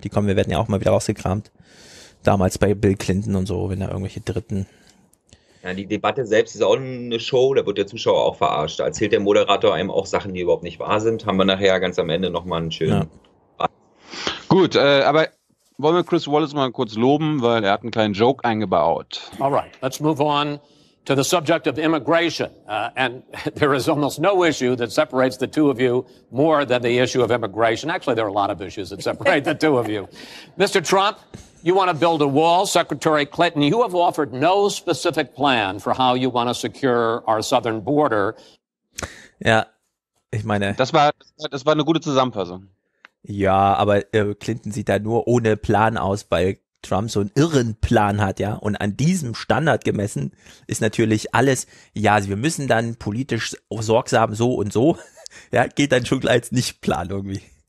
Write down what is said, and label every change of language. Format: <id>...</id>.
<de>Wir werden ja auch mal wieder rausgekramt, damals bei Bill Clinton und so, wenn da irgendwelche Dritten. Ja, die Debatte selbst ist auch eine Show, da wird der Zuschauer auch verarscht, da erzählt der Moderator einem auch Sachen, die überhaupt nicht wahr sind, haben wir nachher ganz am Ende nochmal einen schönen Gut, aber wollen wir Chris Wallace mal kurz loben, weil er hat einen kleinen Joke eingebaut.</de> <en>All right, let's move on to the subject of immigration. And there is almost no issue that separates the two of you more than the issue of immigration. Actually, there are a lot of issues that separate the two of you. Mr. Trump, You want to build a wall, Secretary Clinton. You have offered no specific plan for how you want to secure our southern border.</en> <de>Ja, ich meine, das war eine gute Zusammenfassung. Ja, aber Clinton sieht da nur ohne Plan aus, weil Trump so einen irren Plan hat, ja. Und an diesem Standard gemessen ist natürlich alles, ja, wir müssen dann politisch sorgsam so und so, ja, geht dann schon gleich als Nicht-Plan irgendwie.</de>